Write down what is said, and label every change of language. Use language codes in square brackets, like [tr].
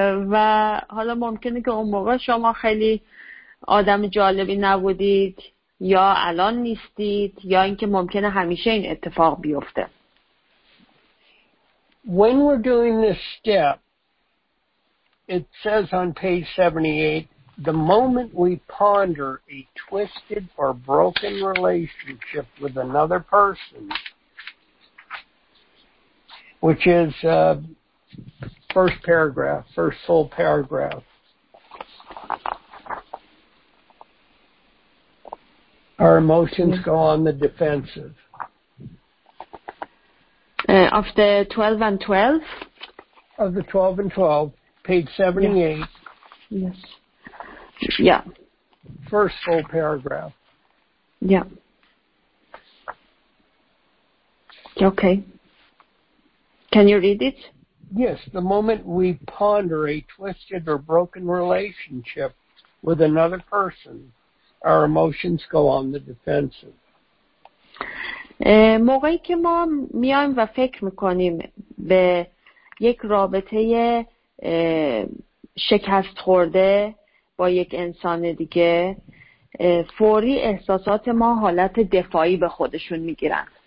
[fa] و حالا ممکنه که اون موقع شما خیلی آدم جالبی نبودید یا الان نیستید یا اینکه ممکنه همیشه این اتفاق بیفته. [en] When we're doing this step, it says on page 78, The moment we ponder a twisted or broken relationship with another person, which is first paragraph, first full paragraph. Our emotions go on the defensive. Of the 12 and 12? Of the 12 and 12, page 78. Yes. Yeah. First full paragraph. Yeah. Okay. Can you read it? Yes. The moment we ponder a twisted or broken relationship with another person, our emotions go on the defensive. [fa] موقعی که ما میایم و فکر میکنیم به یک رابطه شکست خورده با یک انسان دیگه، فوری احساسات ما حالت دفاعی به خودشون میگیرن.